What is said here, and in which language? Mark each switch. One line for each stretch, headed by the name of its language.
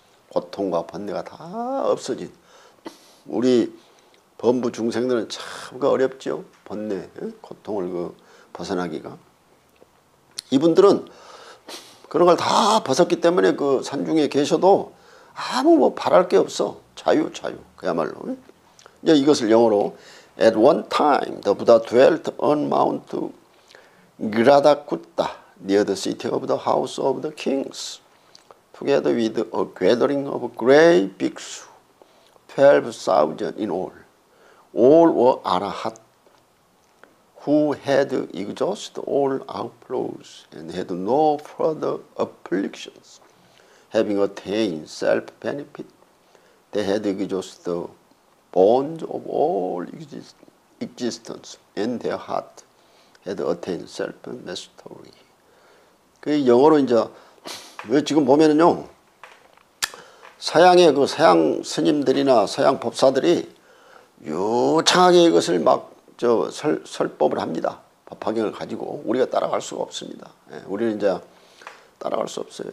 Korean: 고통과 번뇌가 다 없어진. 우리 범부 중생들은 참 어렵죠. 번뇌, 고통을 벗어나기가. 이분들은 그런 걸 다 벗었기 때문에 그 산 중에 계셔도 아무 뭐 바랄 게 없어. 자유, 자유. 그야말로. 이제 이것을 영어로
English: At one time, the Buddha dwelt on Mount Gradakuta, near the city of the house of the kings, together with a gathering of great bhikshu, 12,000 in all. All were arahat, who had exhausted all outflows and had no further afflictions. Having attained self-benefit, they had exhausted the bonds of all existence, and their heart had attained self-mastery.
Korean: 그 영어로 이제 왜 지금 보면은요, 서양의 그 서양 스님들이나 서양 법사들이 유창하게 이것을 막 저 설법을 합니다. 법화경을 가지고 우리가 따라갈 수가 없습니다. 예, 우리는 이제 따라갈 수 없어요.